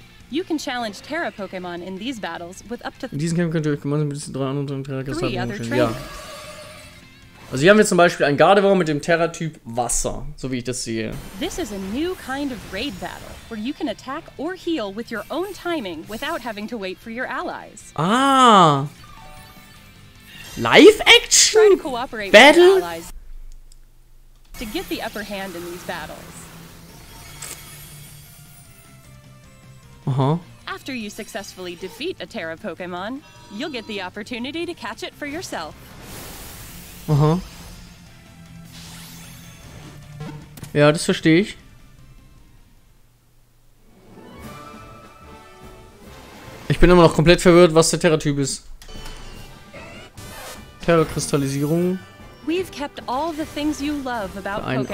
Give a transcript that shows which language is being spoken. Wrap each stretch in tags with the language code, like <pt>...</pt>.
<en>You can challenge Terra Pokémon in these battles with up to.</en> <de>In diesen Kämpfen könnt ihr euch gemeinsam mit diesen drei anderen Terra-Kristallen. Ja. Also hier haben wir zum Beispiel ein Gardevoir mit dem Terra-Typ Wasser, so wie ich das sehe.</de> <en>This is a new kind of raid battle, where you can attack or heal with your own timing, without having to wait for your allies.</en> <de>Ah! Live-Action? Battle?</de> <en>To get the upper hand in these battles.</en> <de>Aha.</de> <en>After you successfully defeat a Terra Pokémon, you'll get the opportunity to catch it for yourself.</en> <de>Aha. Ja, das verstehe ich. Ich bin immer noch komplett verwirrt, was der Terra-Typ ist. Terra-Kristallisierung.</de> <en>We've kept all the things you love about Pokémon.</en>